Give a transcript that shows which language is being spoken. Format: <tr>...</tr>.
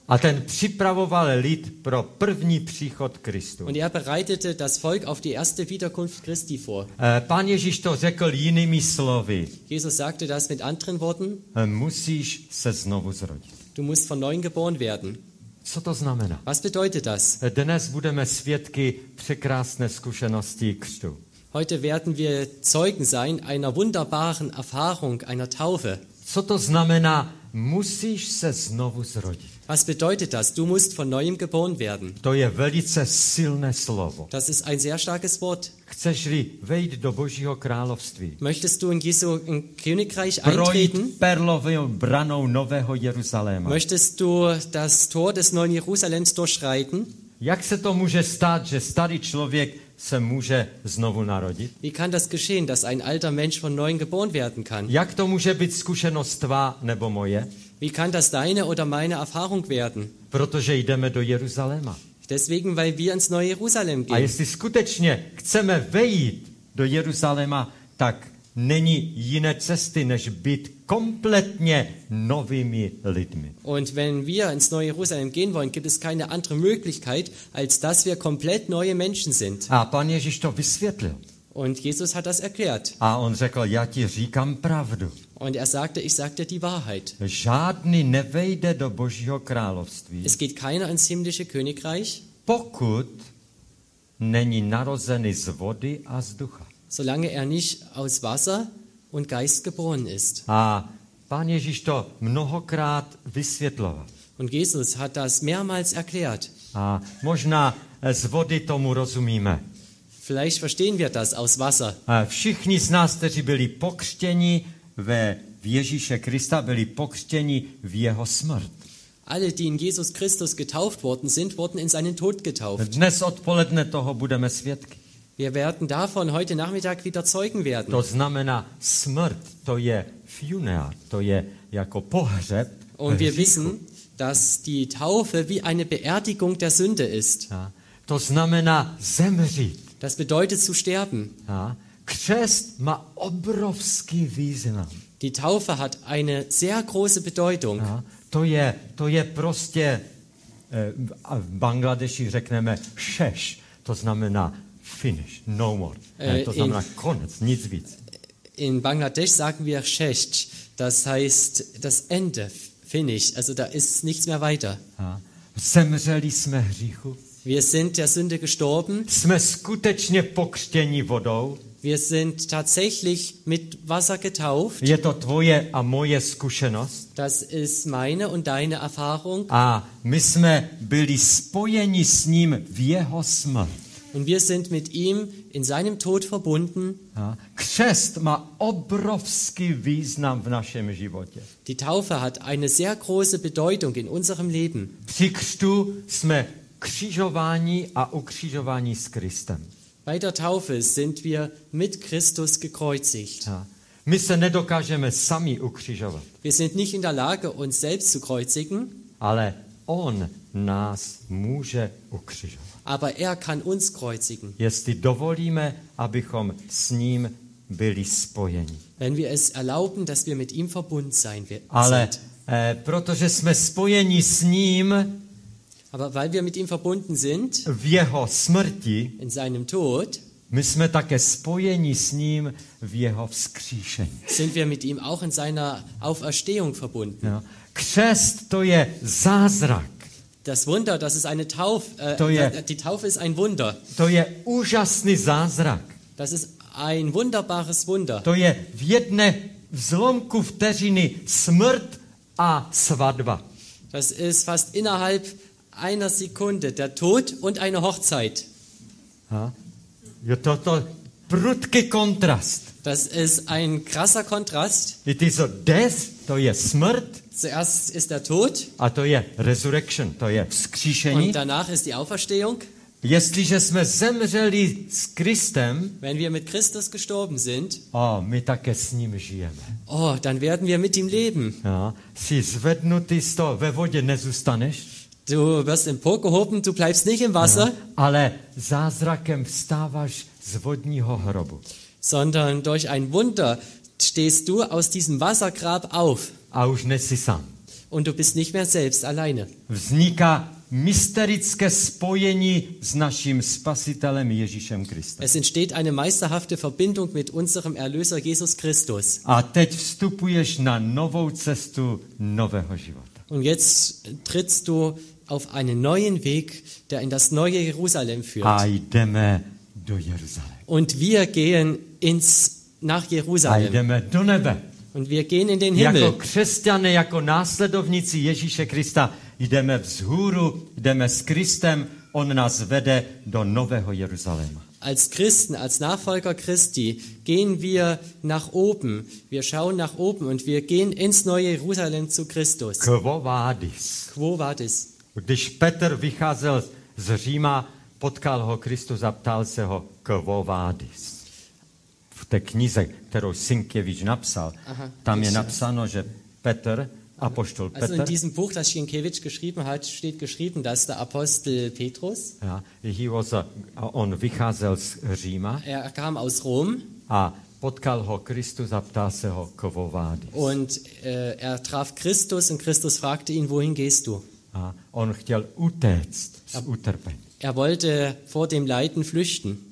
<cs>A ten připravoval lid pro první příchod Kristu.</cs> <de>Und er bereitete das Volk auf die erste Wiederkunft Christi vor.</de> <cs>Pán Ježíš to řekl jinými slovy.</cs> <de>Jesus sagte das mit anderen Worten.</de> <cs>Musíš se znovu zrodit.</cs> <de>Du musst von neuem geboren werden.</de> <cs>Co to znamená?</cs> <de>Was bedeutet das?</de> <cs>Dnes budeme svědky překrásné zkušenosti křtu.</cs> <de>Heute werden wir Zeugen sein einer wunderbaren Erfahrung einer Taufe.</de> <cs>Co to znamená? Musíš se znovu zrodit.</cs> <de>Was bedeutet das? Du musst von neuem geboren werden.</de> <cs>To je velice silné slovo.</cs> <de>Das ist ein sehr starkes Wort.</de> <cs>Chceš-li vejít do Božího království?</cs> <de>Möchtest du in Jesu Königreich eintreten?</de> <cs>Projít perlovou branou Nového Jeruzaléma?</cs> <de>Möchtest du das Tor des Neuen Jerusalems durchschreiten?</de> <cs>Jak se to může stát, že starý člověk se může znovu narodit?</cs> <de>Wie kann das geschehen, dass ein alter Mensch von neuem geboren werden kann?</de> <cs>Jak to může být zkušenost tvá nebo moje?</cs> <de>Wie kann das deine oder meine Erfahrung werden?</de> <cs>Protože jdeme do Jeruzaléma.</cs> <de>Deswegen, weil wir ins neue Jeruzalem gehen.</de> <cs>A jestli skutečně chceme vejít do Jeruzaléma, tak není jiné cesty, než být kompletně novými lidmi.</cs> <de>Und wenn wir ins neue Jerusalem gehen wollen, gibt es keine andere Möglichkeit, als dass wir komplett neue Menschen sind.</de> <cs>A pan Ježíš to vysvětlil.</cs> <de>Und Jesus hat das erklärt.</de> <cs>A on řekl, já ti říkám pravdu.</cs> <de>Und er sagte, ich sag dir die Wahrheit.</de> <cs>Žádný nevejde do Božího království.</cs> <de>Es geht keiner ins himmlische Königreich.</de> <cs>Pokud není narozený z vody a z ducha.</cs> <de>Solange er nicht aus Wasser und Geist geboren ist.</de> <cs>A pán Ježíš to mnohokrát vysvětloval.</cs> <de>Und Jesus hat das mehrmals erklärt.</de> <cs>A možná z vody tomu rozumíme.</cs> <de>Vielleicht verstehen wir das aus Wasser.</de> <cs>Všichni z nás, kteří byli pokřtěni v Ježíše Krista, byli pokřtěni v jeho smrt.</cs> <de>Alle, die in Jesus Christus getauft worden sind, wurden in seinen Tod getauft.</de> <cs>Dnes odpoledne toho budeme svědky.</cs> <de>Wir werden davon heute Nachmittag wieder Zeugen werden.</de> <cs>To znamená smrt, to je funeral, to je jako pohřeb.</cs> <de>Und wir wissen, dass die Taufe wie eine Beerdigung der Sünde ist.</de> <cs>Ja. To znamená zemřít.</cs> <de>Das bedeutet zu sterben. Ja.</de> <cs>Křest má obrovský význam.</cs> <de>Die Taufe hat eine sehr große Bedeutung. Ja.</de> <cs>To je prostě v Bangladeši řekneme šeš, to znamená</cs> <en>finish, no more.</en> <cs>To znamená konec, nic víc.</cs> <de>In Bangladesch sagen wir šeš, das heißt das Ende, finish, also da ist nichts mehr weiter.</de> <cs>Ja. Zemřeli jsme hříchu.</cs> <de>Wir sind der Sünde gestorben.</de> <cs>Jsme skutečně pokřtěni vodou.</cs> <de>Wir sind tatsächlich mit Wasser getauft.</de> <cs>Je to tvoje a moje zkušenost.</cs> <de>Das ist meine und deine Erfahrung.</de> <cs>A my jsme byli spojeni s ním v jeho smrti.</cs> <de>Und wir sind mit ihm in seinem Tod verbunden. Ja.</de> <cs>Křest má obrovský význam v našem životě.</cs> <de>Die Taufe hat eine sehr große Bedeutung in unserem Leben.</de> <cs>Při křtu jsme křižováni a ukřižováni s Kristem.</cs> <de>Bei der Taufe sind wir mit Christus gekreuzigt. Ja.</de> <cs>My se nedokážeme sami ukřižovat.</cs> <de>Wir sind nicht in der Lage, uns selbst zu kreuzigen.</de> <cs>Ale on nás může ukřižovat.</cs> <de>Aber er kann uns kreuzigen.</de> <cs>Jestli dovolíme, abychom s ním byli spojeni.</cs> <de>Wenn wir es erlauben, dass wir mit ihm verbunden sein werden.</de> <cs>Ale protože jsme spojeni s ním.</cs> <de>Aber weil wir mit ihm verbunden sind,</de> <cs>v jeho smrti,</cs> <de>in seinem Tod,</de> <cs>my jsme také spojeni s ním v jeho vzkříšení.</cs> <de>Sind wir mit ihm auch in seiner Auferstehung verbunden.</de> <cs>Ja. Křest, to je zázrak.</cs> <de>Das Wunder, das ist eine Taufe, die Taufe ist ein Wunder.</de> <cs>To je úžasný zázrak.</cs> <de>Das ist ein wunderbares Wunder.</de> <cs>To je v jedné zlomku vteřiny smrt a svatba.</cs> <de>Das ist fast innerhalb einer Sekunde der Tod und eine Hochzeit.</de> <cs>Ha? Je to prudký kontrast.</cs> <de>Das ist ein krasser Kontrast.</de> <en>It is a death,</en> <cs>to je smrt.</cs> <de>Zuerst ist der Tod.</de> <cs>A to je resurrection, to je vzkříšení.</cs> <de>Und danach ist die Auferstehung.</de> <cs>Jestliže jsme zemřeli s Kristem,</cs> <de>wenn wir mit Christus gestorben sind,</de> <cs>oh, my také s ním žijeme.</cs> <de>Oh, dann werden wir mit ihm leben.</de> <cs>Ja, jsi zvednutý z toho, ve vodě nezůstaneš.</cs> <de>Du wirst emporgehoben, du bleibst nicht im Wasser. Ja,</de> <cs>ale zázrakem vstáváš z vodního hrobu.</cs> <de>Sondern durch ein Wunder stehst du aus diesem Wassergrab auf.</de> <cs>A už nejsi sám.</cs> <de>Und du bist nicht mehr selbst alleine.</de> <cs>Vzniká mysterické spojení s naším spasitelem Ježíšem Kristem.</cs> <de>Es entsteht eine meisterhafte Verbindung mit unserem Erlöser Jesus Christus.</de> <cs>A teď vstupuješ na novou cestu nového života.</cs> <de>Und jetzt trittst du auf einen neuen Weg, der in das neue Jerusalem führt.</de> <cs>A jdeme do Jeruzalém.</cs> <de>Und wir gehen nach Jerusalem.</de> <cs>A jdeme do nebe.</cs> <de>Und wir gehen in den Himmel.</de> <cs>Jako křesťané, jako následovníci Ježíše Krista, jdeme vzhůru, jdeme s Kristem, on nás vede do nového Jeruzaléma.</cs> <de>Als Christen, als Nachfolger Christi, gehen wir nach oben. Wir schauen nach oben und wir gehen ins neue Jerusalem zu Christus.</de> <la>Quo vadis? Quo vadis?</la> <cs>Když Petr vycházel z Říma, potkal ho Kristus a ptal se ho,</cs> <la>quo vadis?</la> <cs>V té knize, kterou Sienkiewicz napsal, tam je napsáno, že Petr, apoštol Petr.</cs> <de>Also in diesem Buch, das Sienkiewicz geschrieben hat, steht geschrieben, dass der Apostel Petrus,</de> <cs>ja,</cs> <en>he was</en> <cs>on vycházel z Říma.</cs> <de>Er kam aus Rom.</de> <cs>A potkal ho Kristus a ptal se ho,</cs> <la>quo vadis.</la> <de>Und er traf Christus und Christus fragte ihn, wohin gehst du?</de> <cs>A on chtěl utéct z utrpení.</cs> <de>Er wollte vor dem Leiden flüchten.</de>